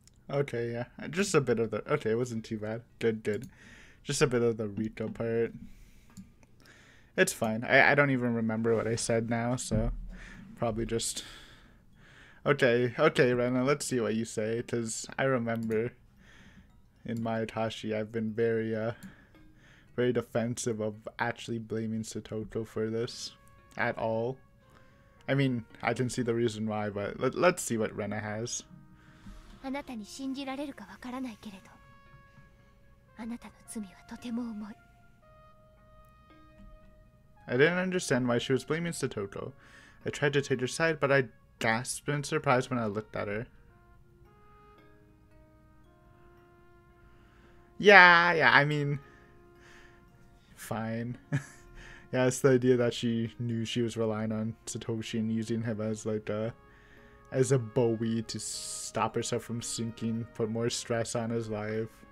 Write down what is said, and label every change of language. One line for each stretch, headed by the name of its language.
English: Okay, yeah, just a bit of the, okay, it wasn't too bad, good, just a bit of the Rico part, it's fine, I don't even remember what I said now, so, probably just, okay, Rena, let's see what you say, because I remember in my Itachi, I've been very defensive of actually blaming Satoko for this at all. I mean, I can see the reason why, but let's see what Rena has.
Japanese: あなたに信じられるかわからないけれど、あなたの罪はとても重い。
English: I didn't understand why she was blaming Satoko. I tried to take her side, but I gasped in surprise when I looked at her. Yeah, I mean, fine. Yeah, it's the idea that she knew she was relying on Satoshi and using him as as a buoy to stop herself from sinking, put more stress on his life.